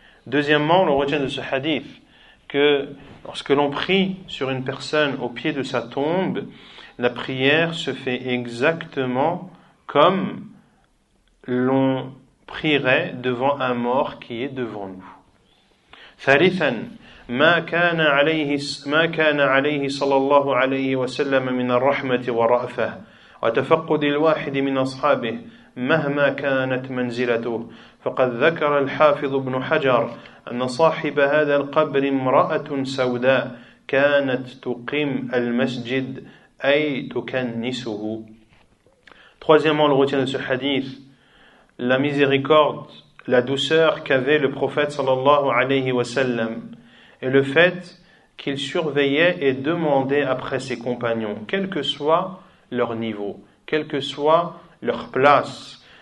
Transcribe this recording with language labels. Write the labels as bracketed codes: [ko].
[fr] Deuxièmement, on retient de ce hadith que lorsque l'on prie sur une personne au pied de sa tombe, la prière se fait exactement comme l'on prierait devant un mort qui est devant nous. [ar] Thalithan, ma kana alayhi sallallahu alayhi wa sallam min ar-rahmati wa ra'fah wa tafaqqudi al-wahid min ashabihi مهما كانت منزلته. فقد ذكر الحافظ ابن حجر أن صاحب هذا القبر امرأة سوداء كانت تقيم المسجد أي تكنسه. [fr] Troisièmement, le retient de ce hadith la miséricorde, la douceur qu'avait le prophète sallallahu alayhi wa sallam et le fait qu'il surveillait et demandait après ses compagnons, quel que soit leur niveau, quel que soit leur place.